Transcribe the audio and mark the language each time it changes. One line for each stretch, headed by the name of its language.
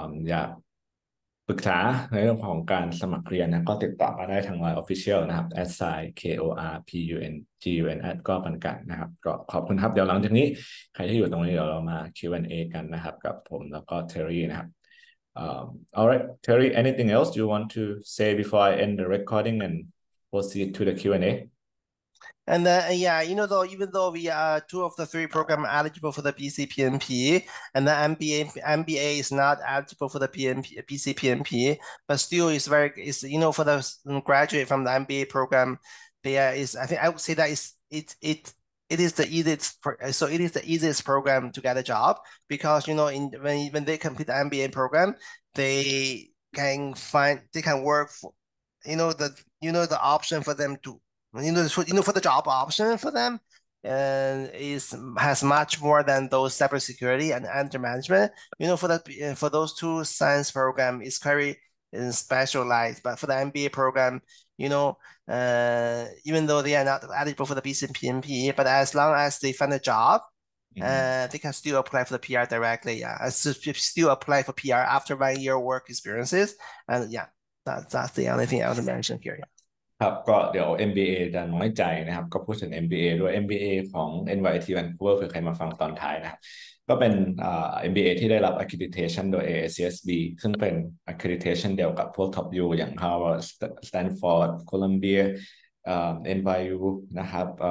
Thai: อยากปรึกษาในเรื่องของการสมัครเรียนนะก็ติดต่อมาได้ทาง LINE Official นะครับ @sikorpungun@ ก็เหมือนกันนะครับก็ขอบคุณครับเดี๋ยวหลังจากนี้ใครที่อยู่ตรงนี้เดี๋ยวเรามา Q&A กันนะครับกับผมแล้วก็เทอร์รี่นะครับ
English: All right, Terry, anything else you want to say before I end the recording and proceed to the Q&A? And yeah, you know, though, even though we are two of the three program eligible for the BCPNP and the MBA is not eligible for the BCPNP, but still it's very, it's, you know, for the graduate from the MBA program, there is, I think I would say that it is the easiest program to get a job because you know when they complete the MBA program they can work for the option for them to for the job option for them and is has much more than those cybersecurity and under management you know for those two science program is very specialized but for the MBA program you know even though they are not eligible for the BCPNP but as long as they find a job they can still apply for the PR directly still apply for PR after 1 year work experiences and that's the only thing I want to mention here
Thai: ครับก็เดี๋ยว MBA ดันน้อยใจนะครับก็พูดถึง MBA ด้วย MBA ของ NYIT Vancouver เผื่อใครมาฟังตอนท้ายนะครับก็เป็น MBA ที่ได้รับ Accreditation โดย ASCSB ซึ่งเป็น Accreditation เดียวกับพวก Top U อย่าง Harvard Stanford Columbia NYU นะครับ